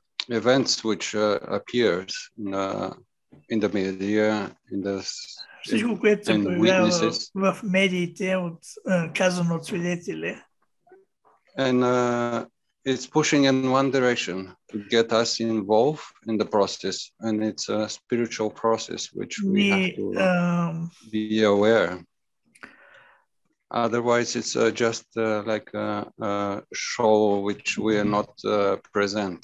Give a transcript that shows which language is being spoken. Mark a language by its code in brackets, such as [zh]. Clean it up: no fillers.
[en] Events which appears in the media, in the [bg] всичко, което се появява в медиите, казано от свидетели. [en] And it's pushing in one direction to get us involved in the process, and it's a spiritual process which we have to be aware. Otherwise, it's just like a show which we are not present.